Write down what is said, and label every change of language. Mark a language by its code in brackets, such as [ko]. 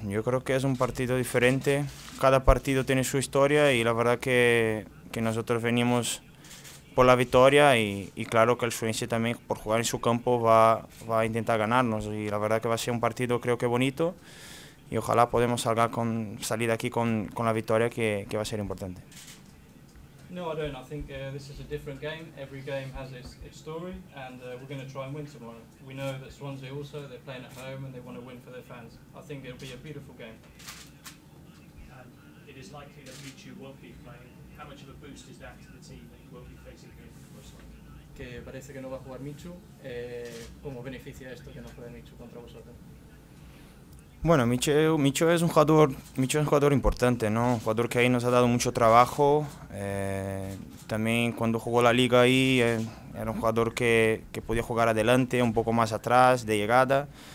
[es] Yo creo que es un partido diferente. Cada partido tiene su historia y la verdad que nosotros venimos por la victoria y claro que el Swansea también por jugar en su campo va a intentar ganarnos y la verdad que va a ser un partido creo que bonito. Y ojalá podamos salir de aquí con la victoria que va a ser importante. [en] No, I don't. I think this is a different game. Every game has its story, and we're going to try and win tomorrow. We know that Swansea also, they're playing at home and they want to win for their fans. I think it'll be a beautiful game. It is likely that Michu will be playing. How much of a boost is that to the team that you will be facing against? [es] Que parece que no va a jugar Michu. ¿Cómo beneficia esto que no juegue Michu contra vosotros? Bueno, Micho es un jugador importante, ¿no? Un jugador que ahí nos ha dado mucho trabajo. También cuando jugó la liga ahí, era un jugador que podía jugar adelante, un poco más atrás, de llegada.